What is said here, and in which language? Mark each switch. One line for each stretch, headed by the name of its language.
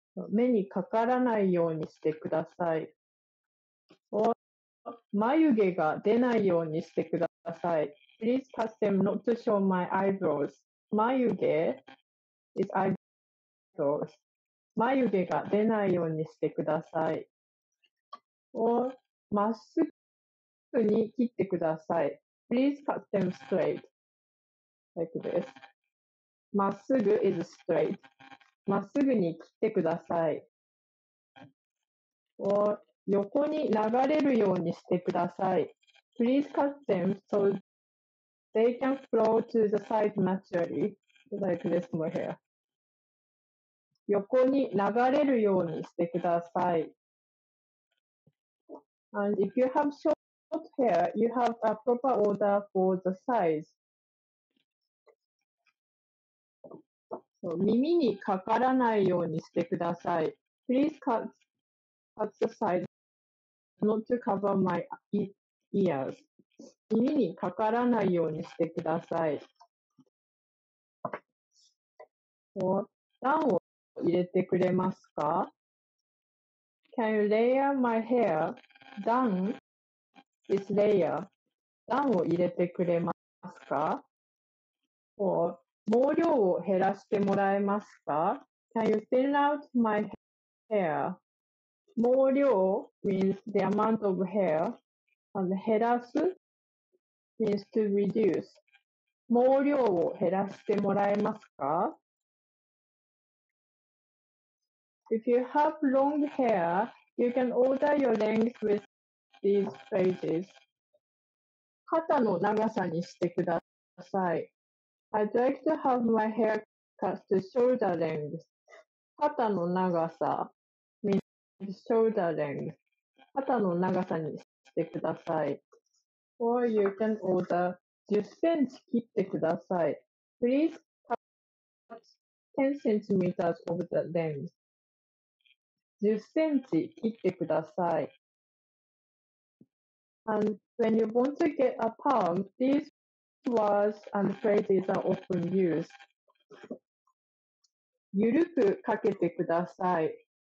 Japanese: 目にかからないようにしてください。
English: Or
Japanese: 眉毛が出ないようにしてください。
English: Please cut them not to show my eyebrows. 眉毛 is eyebrows.
Japanese: 眉毛が出ないようにしてください。
English: Or
Japanese: まっすぐに切ってください。
English: Please cut them straight. Like this. まっすぐ is straight。
Japanese: まっすぐに切ってください。
English: Or
Japanese: 横に流れるようにしてください。
English: Please cut them so they can flow to the side naturally, like this one here。
Japanese: 横に流れるようにしてください。
English: And if you have short hair, you have a proper order for the size. So,
Japanese: 耳にかからないようにしてください。
English: Please cut the size not to cover my ears.
Japanese: 耳にかからないようにしてください。
English: So,
Japanese: 段を入れてくれますか？
English: Can you layer my hair? 段 is layer.
Japanese: 段を入れてくれますか？
English: Or
Japanese: 毛量を減らしてもらえますか？
English: Can you thin out my hair? 毛量 means the amount of hair. And 減らす means to reduce.
Japanese: 毛量を減らしてもらえますか？
English: If you have long hair,You can order your length with these phrases.
Japanese: 肩の長さにしてください。
English: I'd like to have my hair cut to shoulder length.
Japanese: 肩の長さ
English: means shoulder length.
Japanese: 肩の長さにしてください。
English: Or you can order 10 cm
Japanese: 切ってください。
English: Please cut 10 cm of the length.
Japanese: 10センチ切ってください。
English: And when you want to get a perm, these words and phrases are often used.
Japanese: ゆるくかけてください。